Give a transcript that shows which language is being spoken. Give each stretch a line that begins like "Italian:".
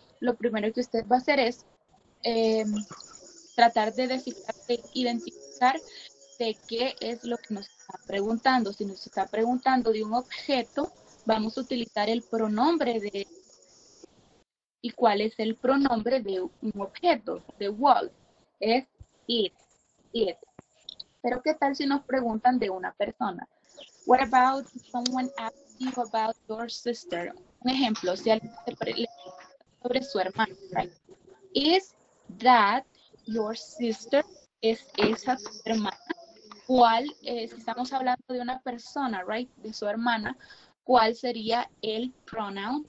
Spanish: Lo primero que usted va a hacer es tratar de descifrar, de identificar de qué es lo que nos está preguntando. Si nos está preguntando de un objeto, vamos a utilizar el pronombre de. ¿Y cuál es el pronombre de un objeto? De wall. Es it. It. Pero ¿qué tal si nos preguntan de una persona?
English: What about someone asking you about your sister?
Spanish: Un ejemplo, si alguien te pregunta sobre su hermana, right?
English: Is that your sister?
Spanish: ¿Es esa su hermana? ¿Cuál, si estamos hablando de una persona, right? De su hermana, ¿cuál sería el pronoun?